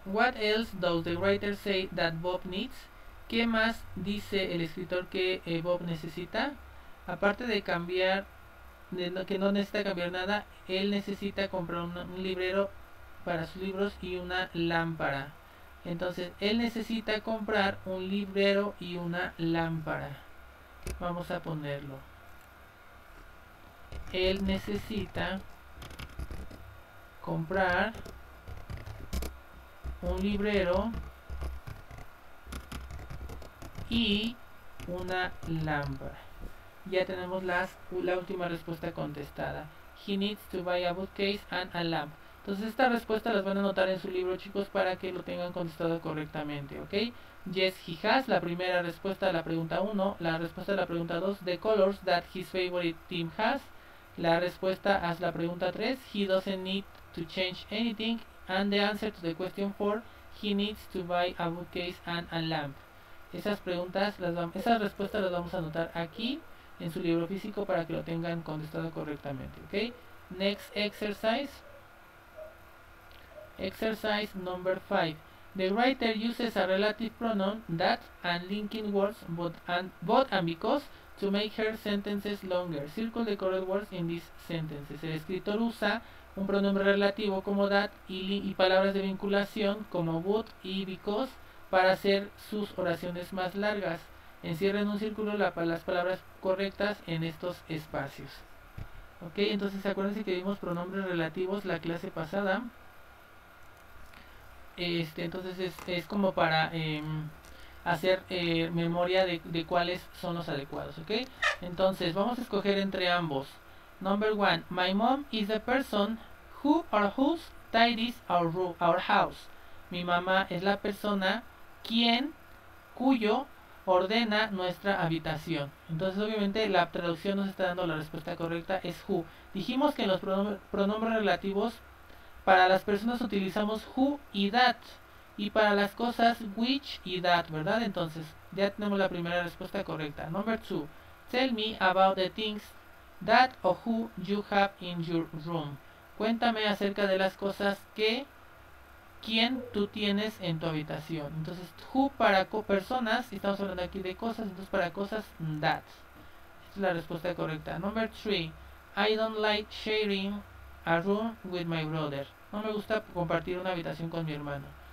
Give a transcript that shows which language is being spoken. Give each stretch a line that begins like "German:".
English: What else does the writer say that Bob needs?
Spanish: ¿Qué más dice el escritor que Bob necesita? Aparte de cambiar, que no necesita cambiar nada, él necesita comprar un librero para sus libros y una lámpara. Entonces, él necesita comprar un librero y una lámpara. Vamos a ponerlo. Él necesita comprar un librero y una lámpara. Ya tenemos la última respuesta contestada.
English: He needs to buy a bookcase and a lamp.
Spanish: Entonces, esta respuesta las van a anotar en su libro, chicos, para que lo tengan contestado correctamente, ¿ok?
English: Yes, he has.
Spanish: La primera respuesta a la pregunta 1. La respuesta a la pregunta 2.
English: The colors that his favorite team has.
Spanish: La respuesta a la pregunta 3.
English: He doesn't need to change anything. And the answer to the question 4. He needs to buy a bookcase and a lamp.
Spanish: Esas respuestas las vamos a anotar aquí en su libro físico para que lo tengan contestado correctamente, ¿ok?
English: Next exercise. Exercise number 5. The writer uses a relative pronoun that and linking words but and because to make her sentences longer. Circle the correct words in these sentences.
Spanish: El escritor usa un pronombre relativo como that y palabras de vinculación como but y because para hacer sus oraciones más largas. Encierra en un círculo las palabras correctas en estos espacios. Ok, entonces acuérdense que vimos pronombres relativos la clase pasada. Entonces es como para hacer memoria de cuáles son los adecuados. Ok, entonces vamos a escoger entre ambos.
English: Number one, my mom is the person who or whose tidies our room, our house.
Spanish: Mi mamá es la persona cuyo ordena nuestra habitación. Entonces, obviamente, la traducción nos está dando la respuesta correcta, es who. Dijimos que en los pronombres relativos, para las personas utilizamos who y that, y para las cosas which y that, ¿verdad? Entonces, ya tenemos la primera respuesta correcta.
English: Number two, tell me about the things that or who you have in your room.
Spanish: Cuéntame acerca de las cosas que, ¿quién tú tienes en tu habitación? Entonces, who para personas, estamos hablando aquí de cosas, entonces para cosas, that. Esta es la respuesta correcta. Number 3.
English: I don't like sharing a room with my brother.
Spanish: No me gusta compartir una habitación con mi hermano.